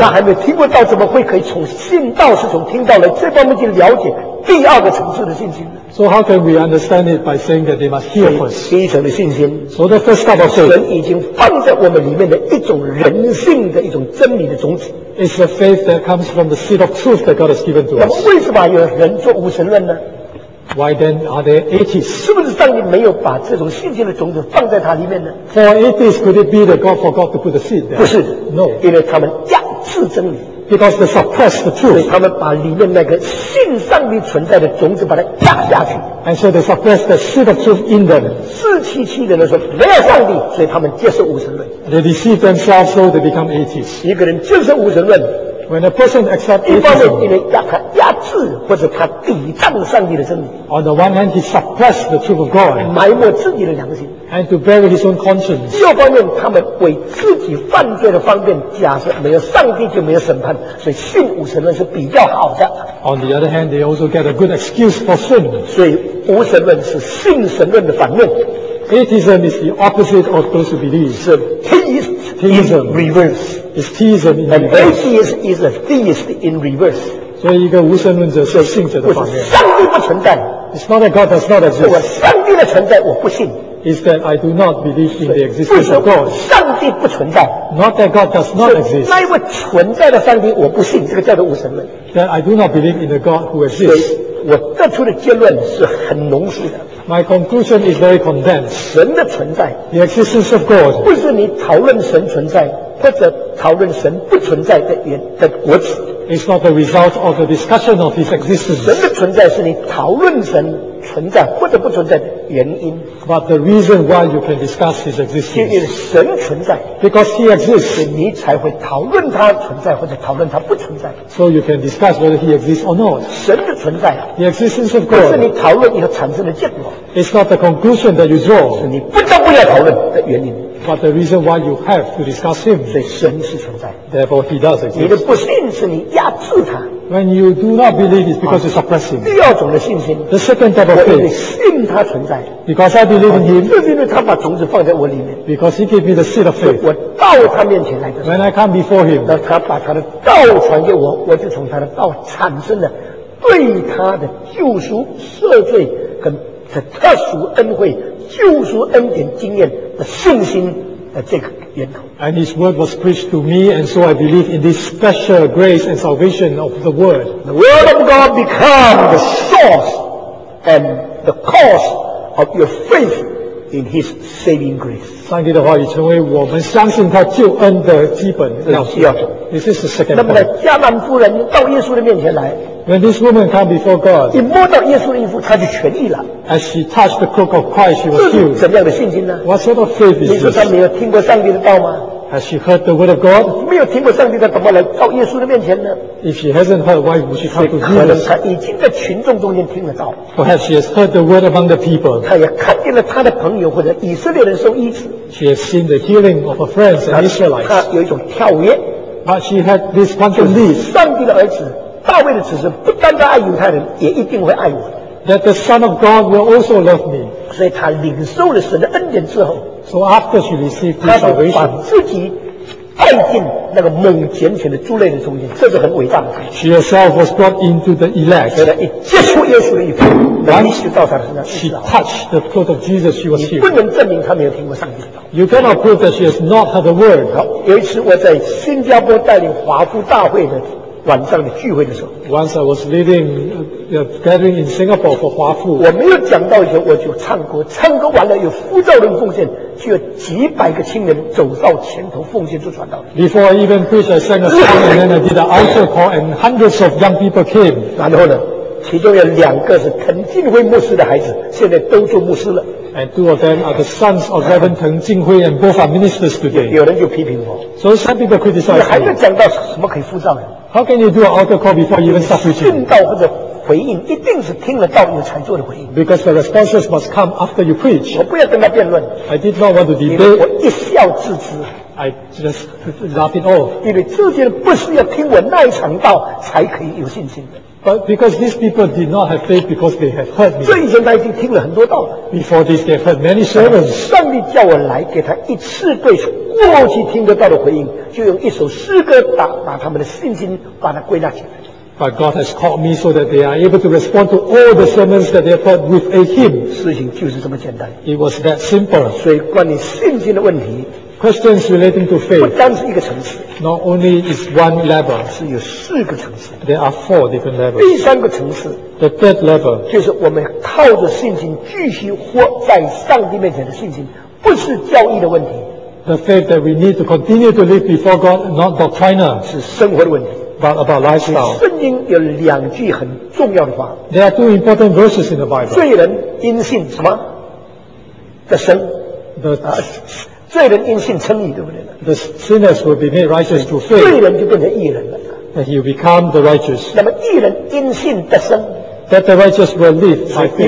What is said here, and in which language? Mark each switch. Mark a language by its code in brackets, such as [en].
[zh] 他还没有听过道，怎么会可以从信道是从听道来这方面去了解第二个层次的信心。 [en] So how can we understand it by saying that they must hear first? [zh] 第一层的信心。 [en] So the first step of faith. [zh] 神已经放在我们里面的一种人性的一种真理的种子。 [en] It's the faith that comes from the seed of truth that God has given to us. [zh] 那么为什么有人做无神论呢？ [en] Why then are there atheists? [zh] 是不是上帝没有把这种信心的种子放在他里面呢 [en] ？For atheists, could it be that God forgot to put the seed there? [zh] 不是 [en] ，No， [zh] 因为他们压制真理 [en] ，Because they suppress the truth， [zh] 所以他们把里面那个信上帝存在的种子把它压下去。 [en] And so they suppress the seed of truth in them. [zh] 自欺欺人的说没有上帝，所以他们接受无神论。 [en] They deceive themselves, so they become atheists. [zh] 一个人接受无神论。 [en] When a person accepts, [zh] 一方面因为他压制或者他抵挡上帝的真理。 [en] On the one hand, he suppresses the truth of God. [zh] 埋没自己的良心。 [en] And to bury his own conscience. [zh] 第二方面，他们为自己犯罪的方便假设没有上帝就没有审判，所以信无神论是比较好的。 [en] On the other hand, they also get a good excuse for sin. [zh] 所以无神论是信神论的反面。 [en] Atheism is the opposite of those who believe. [zh] 是 [en] theism in reverse. Is theism in and atheist is a theist in reverse. [zh] 所以一个无神论者是信者的反面。不是上帝不存在。 [en] It's not that God does not exist. [zh] 我上帝的存在我不信。 [en] Is that I do not believe in the existence of God. [zh] 上帝不存在。 [en] Not that God does not exist. [zh] 那一位存在的上帝我不信，这个叫做无神论。 [en] That I do not believe in the God who exists. [zh] 所以我得出的结论是很浓缩的。 [en] My conclusion is very condensed. [zh] 神的存在。 [en] The existence of God. [zh] 不是你讨论神存在。或者讨论神不存在的原的果子 [en] ，is not the result of the discussion of his existence. [zh] 神的存在是你讨论神存在或者不存在的原因。 [en] But the reason why you can discuss his existence. [zh] 因为神存在 [en] ，because he exists. [zh] 你才会讨论他存在或者讨论他不存在。 [en] So you can discuss whether he exists or not. [zh] 神的存在 [en] ，the existence of God. [zh] 是你讨论以后产生的结果。 [en] It's not the conclusion that you draw. [zh] 是你不得不要讨论的原因。 [en] But the reason why you have to discuss him, [zh] 所以神是存在。 [en] Therefore, he does exist. [zh] 你的不信是你压制他。 [en] When you do not believe, it's because you suppress him. [zh] 第二种的信心。 [en] The second type of faith. [zh] 我因为信他存在。 [en] Because I believe in him. [zh] 就是因为他把种子放在我里面。 [en] Because he gave me the seed of faith. [zh] 我到他面前来的。 [en] When I come before him. [zh] 那他把他的道传给我，我就从他的道产生了对他的救赎、赦罪跟的特殊恩惠、救赎恩典经验。的信心的这个源头。 [en] And his word was preached to me, and so I believe in this special grace and salvation of the word. The word of God becomes the source and the cause of your faith in his saving grace. [zh] 上帝的话语成为我们相信他救恩的基本要素。 [en] This is the second point. [zh] 那么迦南夫人到耶稣的面前来。 [en] When this woman came before God, [zh] 一摸到耶稣的衣服，她就痊愈了。 [en] As she touched the cloak of Christ, she was healed. [zh] 怎么样的信心呢 [en] ？What sort of faith is this? [zh] 你说她没有听过上帝的道吗 [en] ？Has she heard the word of God? [zh] 没有听过上帝的，怎么来到耶稣的面前呢 [en] ？If she hasn't heard, why would she come to Jesus? [zh] 可能她已经在群众中间听了道。 [en] Perhaps she has heard the word among the people. [zh] 她也看见了她的朋友或者以色列人受医治。 [en] She has seen the healing of her friends and Israelites. [zh] 她有一种跳跃。 [en] But she had this quantum leap. [zh] 上帝的儿子。大卫的子孙不单单爱犹太人，也一定会爱我。 [en] That the Son of God will also love me。 [zh] 所以他领受了神的恩典之后 [en] ，So after she received this salvation， [zh] 他把自己带进那个猛拣选的猪类的中间，这是很伟大的。 [en] She herself was brought into the elect。 [zh] 所以他一接触耶稣的衣服，灵就到他的身上。 [en] She touched the cloak of Jesus, she was healed。 [zh] 你不能证明他没有听过上帝的道。 [en] You cannot prove that she has not heard the word。 [zh] 好，有一次我在新加坡带领华夫大会的。晚上的聚会的时候 [en] ，Once I was leading a gathering in Singapore for 华富。 [zh] 我没有讲到以后我就唱歌，唱歌完了有呼召人奉献，就有几百个青年走到前头奉献做传道。 [en] Before I even preached, I sang a song and then I did an altar call, and hundreds of young people came. [zh] 然后呢，其中有两个是滕进辉牧师的孩子，现在都做牧师了。 [en] And two of them are the sons of Reverend 滕进辉 and both are ministers today. [zh] 有人就批评我 [en] ，So some people criticize. [zh] 你还没讲到什么可以呼召人。 [en] How can you do an altar call before you even start preaching? [zh] 信道或者回应一定是听了道你才做的回应。 [en] Because the responses must come after you preach. [zh] 我不要跟他辩论。 [en] I did not want to debate. [zh] 我一笑置之。 [en] I just laugh it off. [zh] 因为这些人不是要听我那一场道才可以有信心的。 [en] But because these people did not have faith because they have heard me. [zh] 这以前他已经听了很多道了。 [en] Before this, they have heard many sermons. [zh] 上帝叫我来给他一次对过去听得到的回应，就用一首诗歌把他们的信心把它归纳起来。 [en] But God has called me so that they are able to respond to all the sermons that they have heard with a hymn. [zh] 事情就是这么简单。 [en] It was that simple. [zh] 所以关于信心的问题。 [en] Questions relating to faith. [zh] 不单是一个层次。 [en] Not only is one level. [zh] 是有四个层次。 [en] There are four different levels. [zh] 第三个层次。 [en] The third level. [zh] 就是我们靠着信心继续活在上帝面前的信心，不是教义的问题。 [en] The faith that we need to continue to live before God, not doctrine. [zh] 是生活的问题。 [en] But about lifestyle. [zh] 圣经有两句很重要的话。 [en] There are two important verses in the Bible. [zh] 罪人因信什么？的生。 [en] The [zh] 罪人因信称义，对不对？ [en] The sinners will be made righteous through faith. [zh] 罪人就变成义人了。 [en] And he will become the righteous. [zh] 那么义人因信得生。 [en] That the righteous will live by faith.